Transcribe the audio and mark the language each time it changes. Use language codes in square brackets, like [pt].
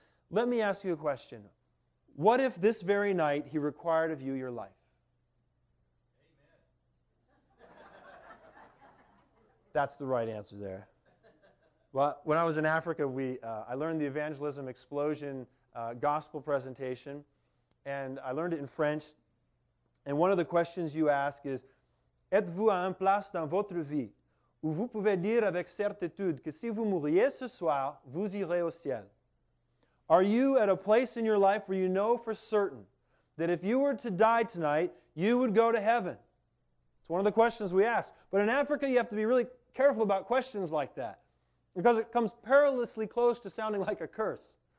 [en] Let me ask you a question. What if this very night he required of you your life? Amen. That's the right answer there. Well, when I was in Africa, I learned the Evangelism Explosion gospel presentation, and I learned it in French. And one of the questions you ask is, [fr] êtes-vous à une place dans votre vie où vous pouvez dire avec certitude que si vous mouriez ce soir, vous irez au ciel? [en] Are you at a place in your life where you know for certain that if you were to die tonight, you would go to heaven? It's one of the questions we ask. But in Africa, you have to be really careful about questions like that because it comes perilously close to sounding like a curse.